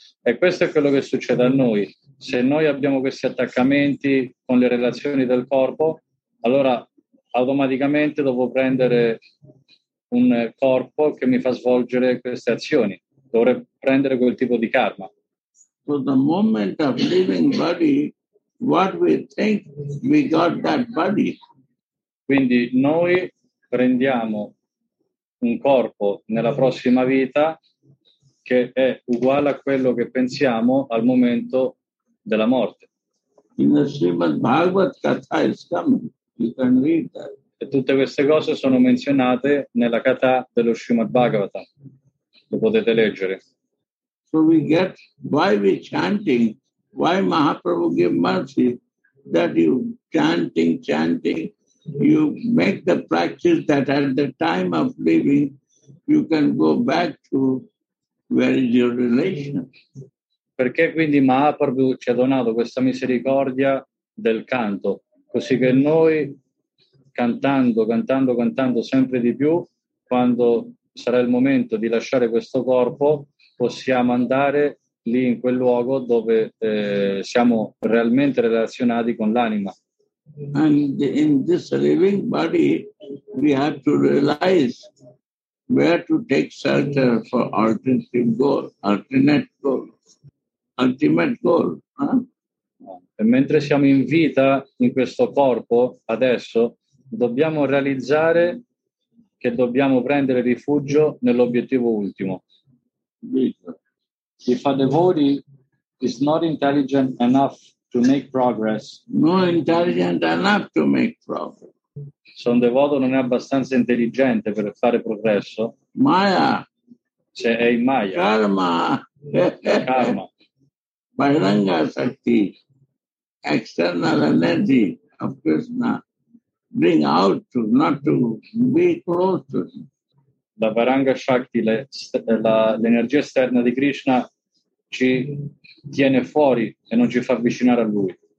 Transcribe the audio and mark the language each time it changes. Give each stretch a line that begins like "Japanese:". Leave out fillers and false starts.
Italian: E questo è quello che succede a noi: se noi abbiamo questi attaccamenti con le relazioni del corpo, allora automaticamente devo prendere un corpo che mi fa svolgere queste azioni, dovrei prendere quel tipo di karma.
English: So the moment of leaving body, what we think, we got that body.
Italian: Quindi noi prendiamo un corpo nella prossima vita che è uguale a quello che pensiamo al momento della morte.
English: In the Srimad Bhagavat Katha is coming. You can read that.
Italian: E tutte queste cose sono menzionate nella Katha dello Srimad Bhagavata. Lo potete leggere.
English: So we get why we chanting, why Mahaprabhu give mercy, that you chanting, you make the practice that at the time of leaving, you can go back to where is your relation.
Italian: Perché quindi Mahaprabhu ci ha donato questa misericordia del canto, così che noi cantando sempre di più, quando sarà il momento di lasciare questo corpo, possiamo andare lì in quel luogo dove siamo realmente relazionati con l'anima.
English: And in this living body we have to realize where to take shelter for ultimate goal.
Italian: E mentre siamo in vita in questo corpo adesso dobbiamo realizzare che dobbiamo prendere rifugio nell'obiettivo ultimo.
English: If a devotee is not intelligent enough to make progress. Not intelligent enough to make progress.
Italian: Se un devoto non è abbastanza intelligente per fare progresso.
English: Maya.
Italian: Se è in Maya.
English: Karma.
Italian: Karma.
English: Bhairanga Shakti. External energy of Krishna. Bring out to not to be close to him.
Italian: La Bhairanga Shakti, l'energia esterna di Krishna ci tiene fuori e non ci fa avvicinare a lui.